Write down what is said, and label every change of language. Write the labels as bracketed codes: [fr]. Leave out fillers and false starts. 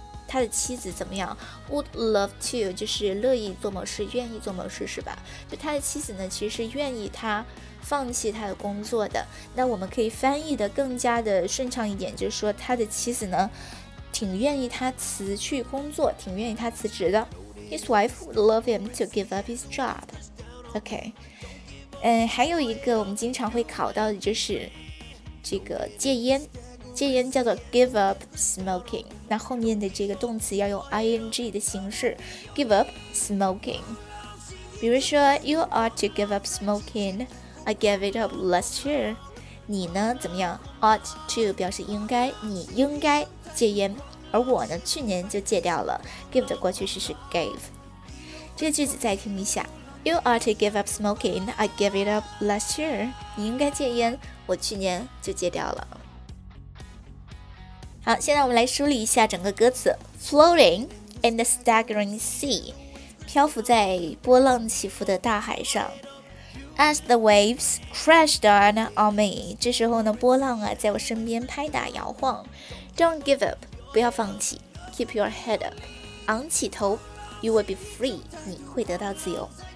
[zh] 他的妻子怎么样？ [en] Would love to [zh] 就是乐意做某事，愿意做某事是吧？就他的妻子呢，其实是愿意他放弃他的工作的。那我们可以翻译的更加的顺畅一点，就是说他的妻子呢，挺愿意他辞去工作，挺愿意他辞职的。 [en] His wife would love him to give up his job. [zh] OK， 还有一个我们经常会考到的就是这个戒烟。戒烟叫做 [en] give up smoking， [zh] 那后面的这个动词要用 ing 的形式， give up smoking。比如说 [en] you ought to give up smoking， I gave it up last year。 [zh] 你呢怎么样？ ought to 表示应该，你应该戒烟，而我呢去年就戒掉了。 give 的过去式是 gave。这个句子再听一下， [en] you ought to give up smoking， I gave it up last year。 [zh] 你应该戒烟，我去年就戒掉了。好，现在我们来梳理一下整个歌词。 [en] Floating in the staggering sea， [zh] 漂浮在波浪起伏的大海上。 [en] As the waves crash down on me， [zh] 这时候呢波浪啊在我身边拍打摇晃。 [en] Don't give up， [zh] 不要放弃。 [en] Keep your head up， [zh] 昂起头。 [en] You will be free， [zh] 你会得到自由。